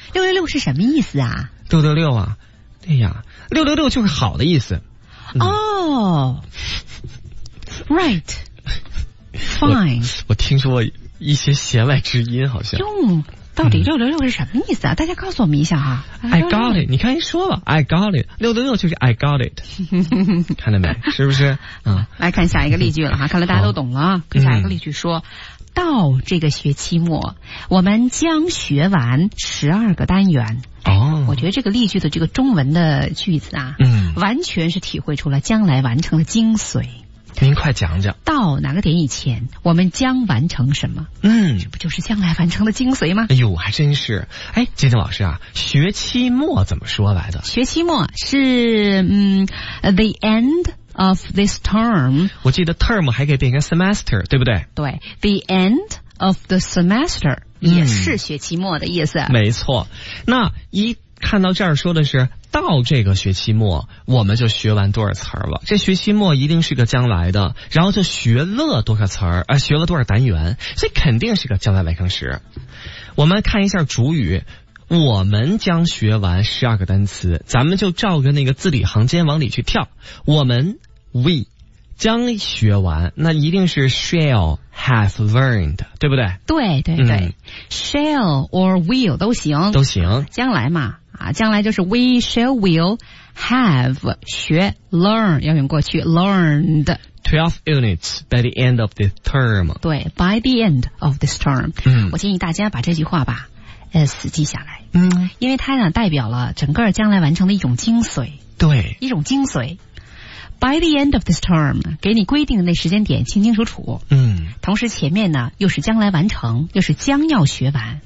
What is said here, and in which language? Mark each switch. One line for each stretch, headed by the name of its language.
Chinese: 666是什么意思啊？ 666啊，哎呀，666就是好的意思。哦、嗯 ，right。Fine，我听说一些弦外之音，好像用到底666是什么意思啊？大家告诉我们一下哈。
English: I got it，
Chinese: 你看人说吧 ，I got it， 666就是 I got it， 看到没？是不是？嗯，来看下一个例句了哈，看来大家都懂了。看下一个例句说、到这个学期末，我们将学完12个单元。哦，我觉得这个例句的这个中文的句子啊，嗯，完全是体会出了将来完成的精髓。您快讲讲，到哪个点以前我们将完成什么？嗯，这不就是将来完成的精髓吗？哎呦，还真是。哎，金金老师啊，学期末怎么说来的？学期末是
English: the end of this term。
Chinese: 我记得 term 还可以变成 semester， 对不对？对 ，
English: the end of the semester
Chinese: 也是学期末的意思。没错，那一看到这儿说的是。到这个学期末我们就学完多少词儿了，这学期末一定是个将来的，然后就学了多少词儿、学了多少单元，所以肯定是个将来完成时。我们看一下主语，我们将学完12个单词，咱们就照着那个字里行间往里去跳，我们 we 将学完，那一定是
English: shall have learned，
Chinese: 对不对？对对对、
English: shall or will
Chinese: 都行都行，将来嘛啊，将来就是
English: we shall will have
Chinese: 学 learn 要用过去 learned
English: 12 units by the end of this term，
Chinese: 对
English: by the end of this term、
Chinese: 嗯、我建议大家把这句话吧死记下来，嗯，因为它呢代表了整个将来完成的一种精髓，对，一种精髓。
English: By the end of this term，
Chinese: 给你规定的那时间点清清楚楚。嗯，同时前面呢又是将来完成，又是将要学完。